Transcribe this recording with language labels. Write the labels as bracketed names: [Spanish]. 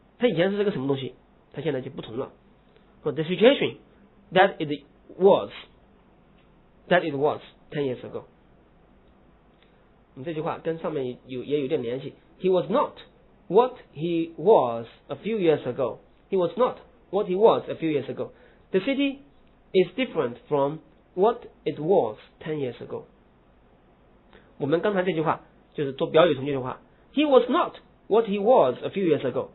[Chinese] 它以前是个什么东西，它现在就不同了。或者 [English] the situation that it was,That it was 10 years ago. [Chinese] 这句话跟上面也有点联系。 [English] He was not what he was a few years ago. He was not what he was a few years ago. The city is different from what it was 10 years ago. [Chinese] 我们刚才这句话就是做表语从句的话。 [English] He was not what he was a few years ago.